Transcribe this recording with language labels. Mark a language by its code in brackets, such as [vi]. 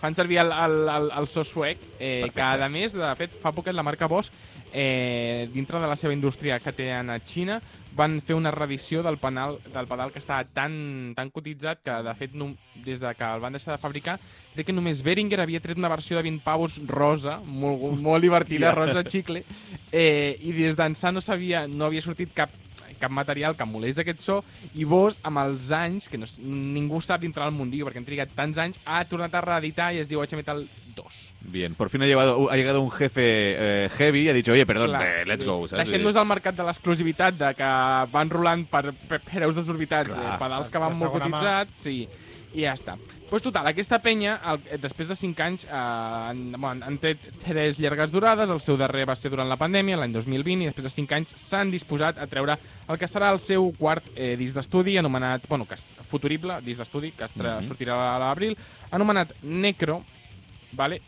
[ca] Fan servir el so suec, que a més, de fet, fa poquet la marca Boss, dintre de la seva indústria que té a Xina, van fer una reedició del pedal que estava tan cotitzat que, de fet, des de que el van deixar de fabricar, crec que només Behringer havia tret una versió de 20 pavos rosa, molt divertida, rosa xicle, i des d'ençà no havia sortit cap material que emulés aquest so, i Boss, amb els anys, que no, ningú sap dintre del mundillo perquè han trigat tants anys, ha tornat a reeditar i es diu HMetal 2. [es] Bien, por fin ha llegado un jefe heavy y ha dicho, oye, perdón, claro, [en] let's go. [ca] Deixem-nos al mercat de l'exclusivitat, de que van rolant per preus desorbitats, claro, pedals que van molt cotitzats, sí, i ja està. Pues total, aquesta penya, després de 5 anys, han tret 3 llargues durades, el seu darrer va ser durant la pandèmia, l'any 2020, i després de 5 anys s'han disposat a treure el que serà el seu quart disc d'estudi, anomenat, bueno, que és futurible, disc d'estudi, que sortirà a l'abril, anomenat Necro, vale?